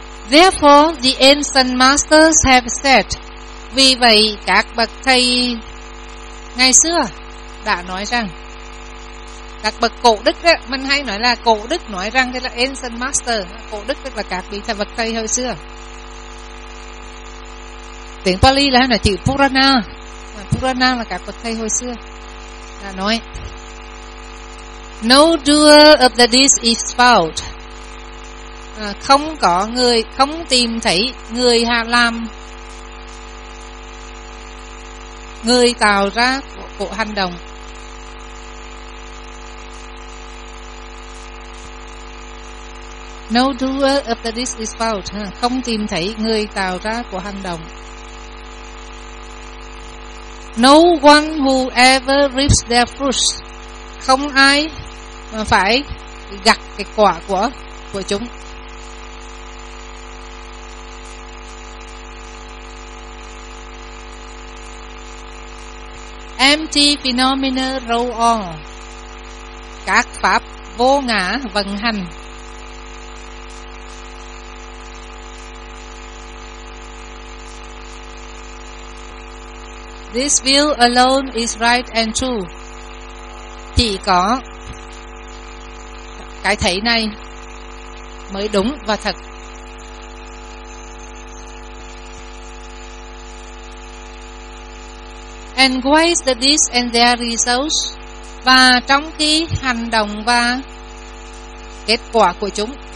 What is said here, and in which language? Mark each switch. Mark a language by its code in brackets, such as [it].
[en] Therefore, the ancient masters have said, [vi] vì vậy các bậc thầy ngày xưa đã nói rằng, các bậc cổ đức á, mình hay nói là cổ đức nói rằng đây là ancient master, cổ đức tức là các vị thầy bậc thầy hồi xưa. Tiếng Pali là hay là chữ Purana, mà Purana là các bậc thầy hồi xưa đã nói. [en] No doer of the deeds is found. [vi] Không có người, không tìm thấy người hà làm, người tạo ra của hành động. [en] No doer of the deed is found. [vi] Không tìm thấy người tạo ra của hành động. [en] No one who ever reaps their fruits. [vi] Không ai mà phải gặt cái quả của chúng. [en] Empty phenomena roll on. [vi] Các pháp vô ngã vận hành. [en] This view alone is right and true. [vi] Chỉ có cái thấy này mới đúng và thật. [en] And why is the deeds and their results? [vi] Và trong khi hành động và kết quả của chúng.